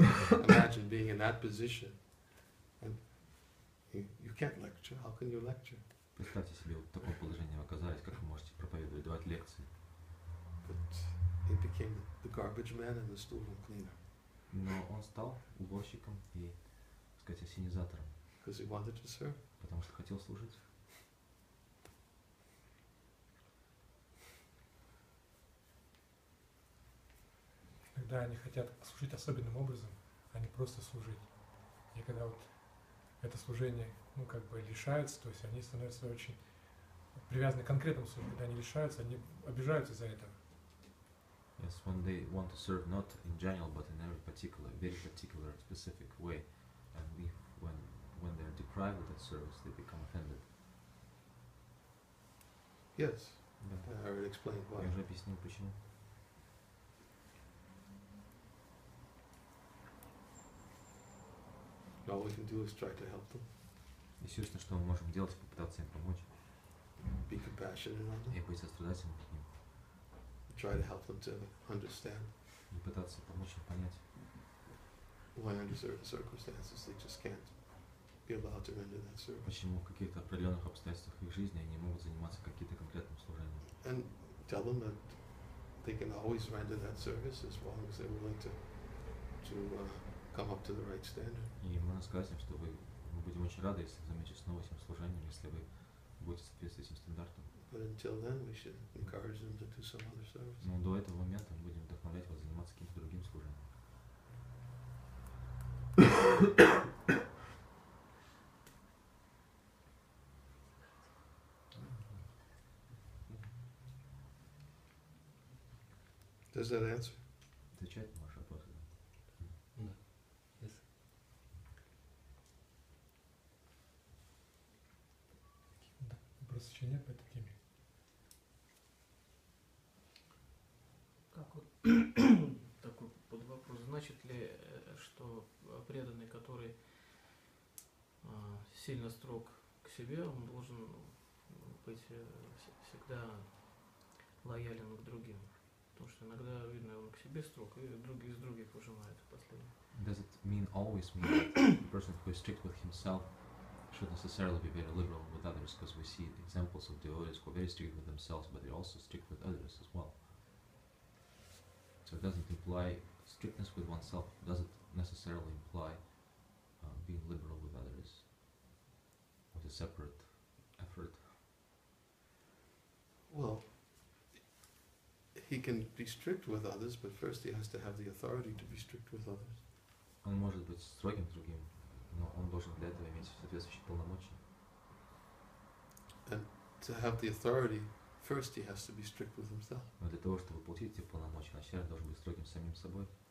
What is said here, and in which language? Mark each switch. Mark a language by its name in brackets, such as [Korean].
[English] Imagine being in that position, and you can't lecture. How can you lecture? [Russian] Представьте себе, вот в таком положении вы оказались, как вы можете проповедовать, давать лекции? [English] But he became the garbage man and the storeroom cleaner. [Russian] Но он стал уборщиком и, так сказать, осенизатором. [English] Because he wanted to serve. [Russian] Потому что хотел служить. Иногда они хотят служить особенным образом, а не просто служить. И когда вот это служение, ну, как бы лишается, то есть они становятся очень привязаны к конкретному служению. Когда они лишаются, они обижаются за это. [English] Yes, when they want to serve not in general, but in every particular, very particular, specific way, and when they're deprived of that service, they become offended. Yes, yeah. I already explained why. [Russian] Я уже объяснил почему. [English] All we can do is try to help them. [Russian] Естественно, что мы можем делать, попытаться им помочь. [English] Be compassionate on them. [Russian] И быть сострадательным к ним. [English] Try to help them to understand. [Russian] И пытаться помочь им понять. [English] Why under certain circumstances they just can't be allowed to render that service. [Russian] Почему в каких-то определенных обстоятельствах их жизни они могут заниматься каким-то конкретным служением? [English] And tell them that they can always render that service as long as they're willing to come up to the right standard. [Russian] И мы расскажем, что мы будем очень рады, если займетесь снова этим служением, если вы будете соответствовать этим стандартам. [English] But until then, we should encourage them to do some other service. [Russian] Но до этого момента мы будем вдохновлять вас заниматься каким-то другим служением. [English] Does that answer? The chat marsha possible. No. Yes. [Russian] Просто еще нет по этой теме. Как вот такой под вопрос. Значит ли, что преданный, который сильно строг к себе, он должен быть всегда лоялен к другим. Потому что иногда видно, он к себе строг, и другие из других ужимают в последнее. [English] Does it mean always mean that a person who is strict with himself should necessarily be very liberal with others, because we see examples of devotees who are very strict with themselves, but they also strict with others as well. So it doesn't imply strictness with oneself, doesn't necessarily imply being liberal with others, with a separate effort. Well, he can be strict with others, but first he has to have the authority to be strict with others. [Russian] Он может быть строгим другим, но он должен для этого иметь соответствующие полномочия. [English] And to have the authority, first he has to be strict with himself. [Russian] Но для того, чтобы получить эти полномочия, вначале должен быть строгим самим собой.